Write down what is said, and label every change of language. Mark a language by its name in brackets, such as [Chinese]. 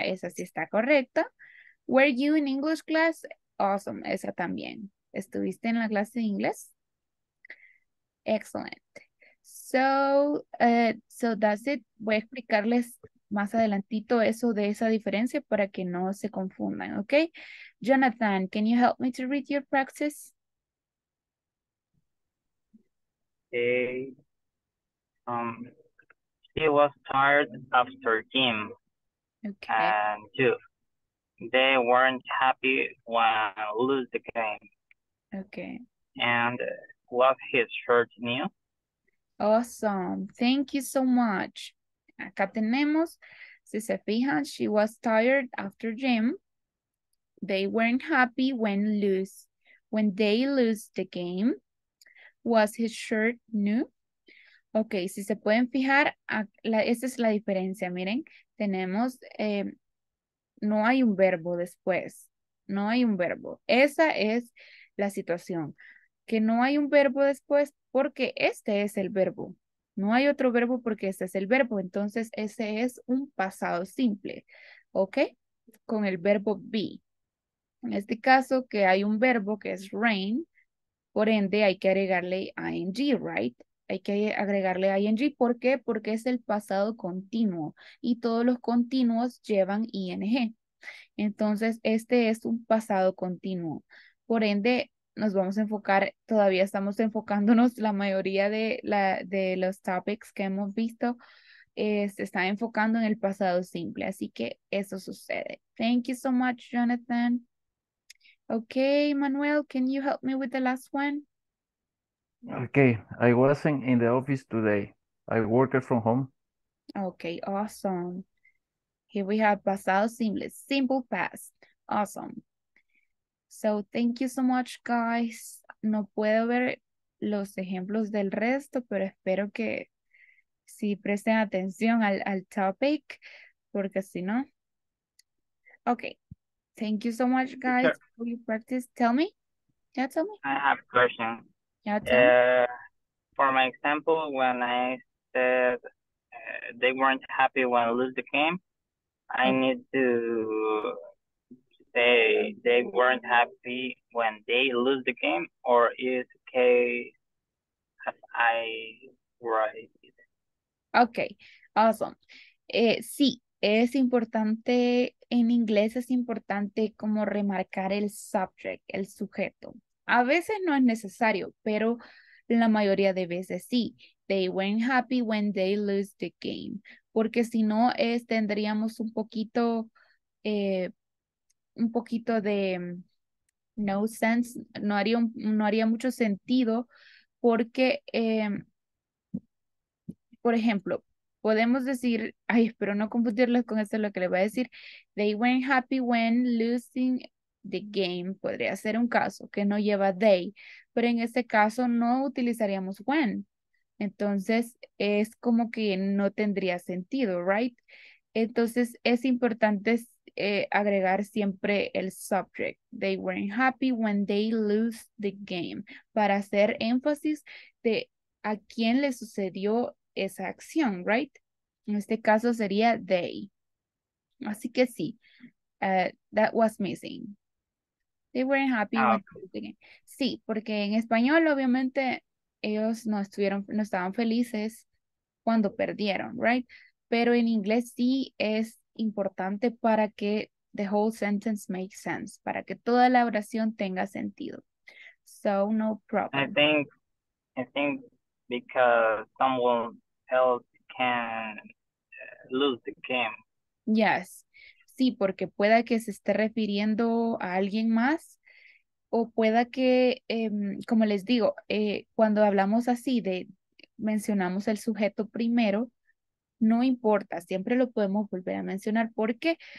[Spanish] Esa sí está correcta. [English] Were you in English class? Awesome. [Spanish] Esa también. ¿Estuviste en la clase de inglés? Excellent. [English] So that's it. [Spanish] Voy a explicarles más adelantito eso de esa diferencia para que no se confundan, ¿ok? [English] Jonathan, can you help me to read your practice? She was tired after gym. Okay. And two, they weren't happy when lose the game. Okay. And was his shirt new? Awesome. Thank you so much. [Spanish] Acá tenemos, si se fijan, [English] she was tired after gym. They weren't happy when they lose the game. Was his shirt new? [Spanish] Ok, si se pueden fijar, esta es la diferencia, miren. Tenemos, no hay un verbo después. No hay un verbo. Esa es la situación. Que no hay un verbo después porque este es el verbo. No hay otro verbo porque este es el verbo. Entonces, ese es un pasado simple. ¿Ok? Con el verbo be. En este caso, que hay un verbo que es rain. Por ende, hay que agregarle ing, right? Hay que agregarle ing. ¿Por qué? Porque es el pasado continuo. Y todos los continuos llevan ing. Entonces, este es un pasado continuo. Por ende, nos vamos a enfocar, todavía estamos enfocándonos, la mayoría de los topics que hemos visto se está enfocando en el pasado simple. Así que eso sucede. [English] Thank you so much, [Spanish] Jonathan. [English] Okay, Manuel, can you help me with the last one? Okay, I wasn't in the office today. I worked from home. Okay, awesome. Here we have pasado simple, simple past. Awesome. So, thank you so much, guys. [Spanish] No puedo ver los ejemplos del resto, pero espero que sí presten atención al topic, porque si no. [English] Okay. Thank you so much, guys, for your practice. Tell me. Yeah, tell me. I have a question. Yeah, tell me. For my example, when I said they weren't happy when I lose the game, I need to say they weren't happy when they lose the game, or is case as I write it? Okay, awesome. Sí. [Spanish] Es importante, en inglés es importante como remarcar el subject, el sujeto. A veces no es necesario, pero la mayoría de veces sí. [English] They weren't happy when they lose the game. [Spanish] Porque si no, tendríamos un poquito de no sense. No haría mucho sentido porque, por ejemplo, podemos decir, ay, espero no confundirlos con esto lo que les voy a decir. [English] They weren't happy when losing the game [Spanish] podría ser un caso que no lleva they, pero en este caso no utilizaríamos when. Entonces, es como que no tendría sentido, right? Entonces, es importante agregar siempre el subject. [English] They weren't happy when they lose the game. [Spanish] Para hacer énfasis de a quién le sucedió esa acción, right? En este caso sería they. Así que sí, [English] that was missing. They weren't happy when they lose the game. [Spanish] Sí, porque en español, obviamente, ellos no estaban felices cuando perdieron, right? Pero en inglés sí es importante para que [English] the whole sentence make sense, [Spanish] para que toda la oración tenga sentido. [English] So, no problem. I think because someone else can lose the game. Yes. [Spanish] Sí, porque pueda que se esté refiriendo a alguien más. O pueda que, como les digo, cuando hablamos así, de mencionamos el sujeto primero, no importa, siempre lo podemos volver a mencionar. ¿Por qué?